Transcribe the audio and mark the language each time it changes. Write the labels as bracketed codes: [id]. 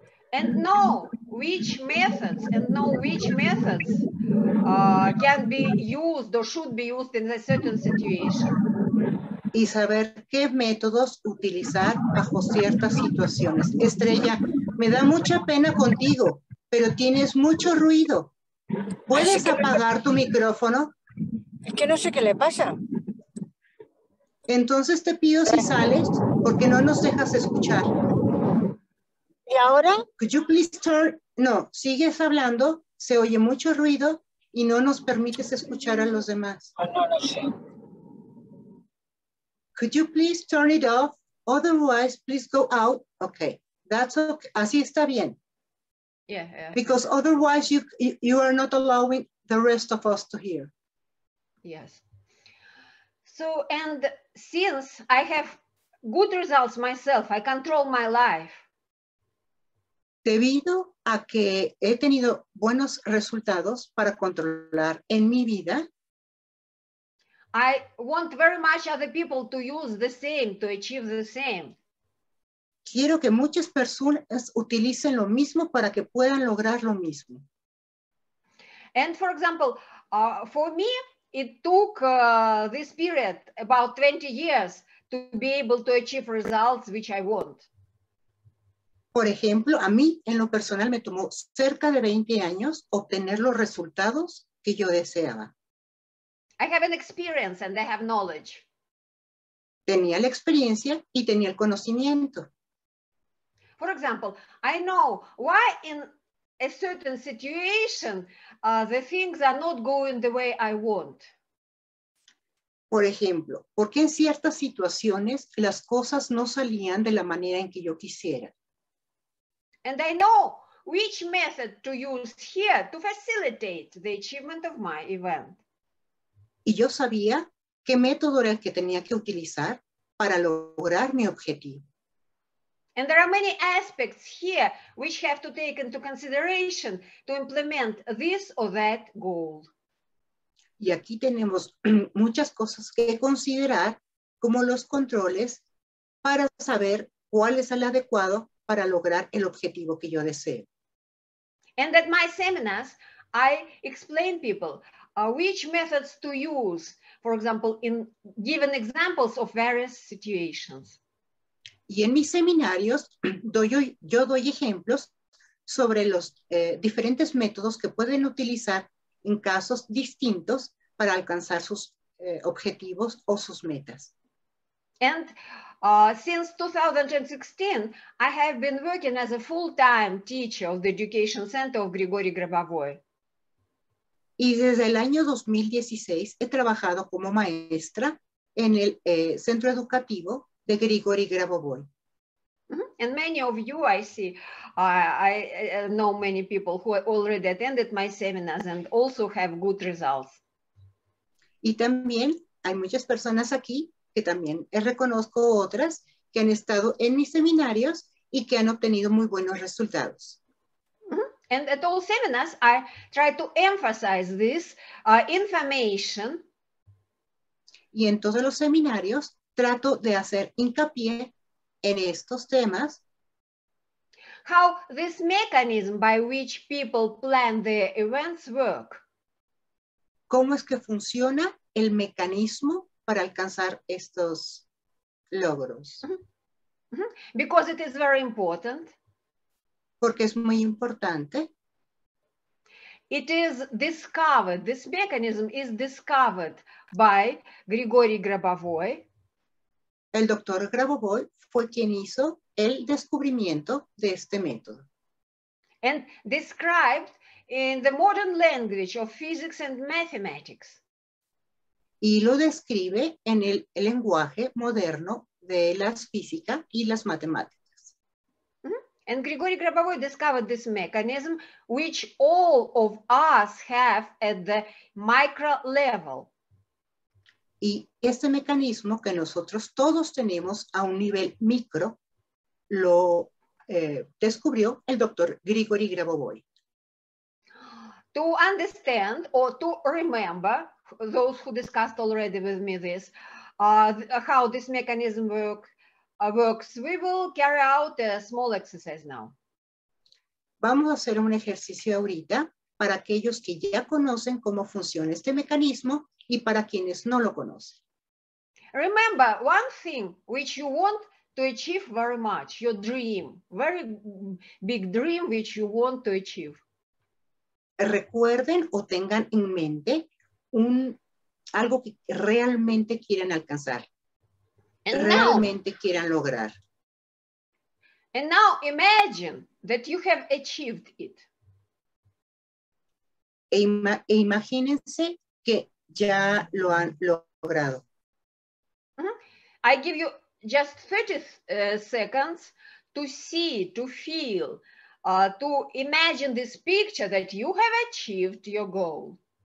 [en] And know which methods, can be used or should be used in a certain situation. [es] Y saber qué métodos utilizar bajo ciertas situaciones. Estrella, me da mucha pena contigo, pero tienes mucho ruido. ¿Puedes apagar tu micrófono? Es que no sé qué le pasa. Entonces te pido si sales, porque no nos dejas escuchar. ¿Y ahora? [en] Could you please turn? [es] No, sigues hablando, se oye mucho ruido y no nos permites escuchar a los demás. No sé. [en] Could you please turn it off? Otherwise, please go out. Okay, that's okay. [es] Así está bien. [en] Yeah. Because otherwise you are not allowing the rest of us to hear. Yes. So, and since I have good results myself, I control my life. [es] Debido a que he tenido buenos resultados para controlar en mi vida, [en] I want very much other people to use the same, to achieve the same. [es] Quiero que muchas personas utilicen lo mismo para que puedan lograr lo mismo. [en] And for example, for me, it took this period about 20 years to be able to achieve results which I want. [es] Por ejemplo, a mí en lo personal me tomó cerca de 20 años obtener los resultados que yo deseaba. [en] I have an experience and I have knowledge. [es] Tenía la experiencia y tenía el conocimiento. [en] For example, I know why in a certain situation the things are not going the way I want. [es] Por ejemplo, ¿por qué en ciertas situaciones las cosas no salían de la manera en que yo quisiera? [en] And I know which method to use here to facilitate the achievement of my event. [es] Y yo sabía qué método era el que tenía que utilizar para lograr mi objetivo. [en] And there are many aspects here which have to take into consideration to implement this or that goal. [es] Y aquí tenemos muchas cosas que considerar como los controles para saber cuál es el adecuado para lograr el objetivo que yo deseo. [en] And at my seminars, I explain people which methods to use, for example, in given examples of various situations. [es] Y en mis seminarios, yo doy ejemplos sobre los diferentes métodos que pueden utilizar en casos distintos para alcanzar sus objetivos o sus metas. [en] And since 2016, I have been working as a full-time teacher of the Education Center of Grigori Grabovoi. [es] Y desde el año 2016, he trabajado como maestra en el centro educativo de Grigori Grabovoi. Mm-hmm. [en] And many of you, I see, I know many people who already attended my seminars and also have good results. [es] Y también hay muchas personas aquí que también reconozco otras que han estado en mis seminarios y que han obtenido muy buenos resultados. Mm-hmm. [en] And at all seminars, I try to emphasize this information. [es] Y en todos los seminarios, trato de hacer hincapié en estos temas. [en] How this mechanism by which people plan their events work. [es] ¿Cómo es que funciona el mecanismo para alcanzar estos logros. [en] Because it is very important. [es] Porque es muy importante. [en] It is discovered, this mechanism is discovered by Grigori Grabovoi. [es] El doctor Grabovoi fue quien hizo el descubrimiento de este método. [en] And described in the modern language of physics and mathematics. [es] Y lo describe en el lenguaje moderno de la física y las matemáticas. [en] And Grigori Grabovoi discovered this mechanism, which all of us have at the micro level. [es] Y este mecanismo que nosotros todos tenemos a un nivel micro, lo descubrió el doctor Grigori Grabovoi. [en] To understand or to remember, those who discussed already with me this, how this mechanism works, we will carry out a small exercise now. [es] Vamos a hacer un ejercicio ahorita para aquellos que ya conocen cómo funciona este mecanismo y para quienes no lo conocen. [en] Remember one thing which you want to achieve very much, your dream, very big dream which you want to achieve. [es] Recuerden o tengan en mente algo que realmente quieran alcanzar, [en] and [es] realmente [en] now, [es] quieran lograr. [en] And now imagine that you have achieved it. [es] Imagínense que ya lo han logrado. [en] I give you just 30 seconds to see, to feel, to imagine this picture that you have achieved your goal.